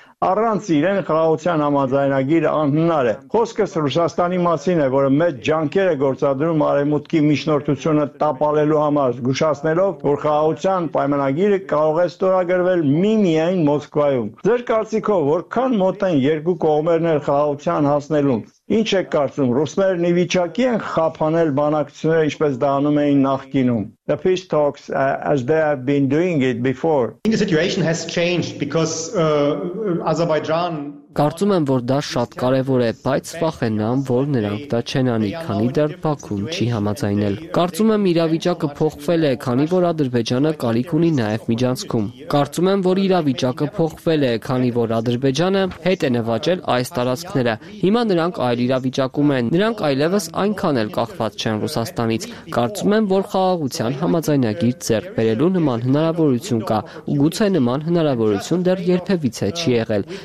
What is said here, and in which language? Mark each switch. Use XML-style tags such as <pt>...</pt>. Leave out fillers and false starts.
<hy>առանց իրեն խաղաղության համաձայնագիրը անհնար է։ Խոսքը Ռուսաստանի մասին է, որը մեծ ջանքեր է գործադրում Արևմուտքի միջնորդությունը տապալելու համար, զգուշացնելով, որ խաղաղության պայմանագիրը կարող է ստորագրվել միմիայն Մոսկվայում։ Ձեր կարծիքով, որքան մոտ են երկու կողմերներ խաղաղության հասնելուն։ Ինչ եք կարծում, ռուսներն ի վիճակի են խափանել բանակցությունը, ինչպես դա անում էին նախկինում։</hy> <en>The peace talks as they have been doing it before. I think the situation has changed because Azerbaijan</en> <hy>Կարծում եմ, որ դա շատ կարևոր է, բայց վախենամ, որ նրանք դա չեն անի, քանի դեռ Բաքուն չի համաձայնել։ Կարծում եմ, իրավիճակը փոխվել է, քանի որ Ադրբեջանը կարիք ունի նաև միջանցքում։ Կարծում եմ, որ իրավիճակը փոխվել է, քանի որ Ադրբեջանը հետ է նվաճել այս տարածքները։ Հիմա նրանք այլ իրավիճակում են, նրանք այլևս այնքան էլ կախված չեն Ռուսաստանից։ Կարծում եմ, որ խաղաղության համաձայնագիր ձեռք բերելու նման հնարավորություն կա, ու գուցե նման հնարավորություն դեռ երբևիցե չի եղել։</hy>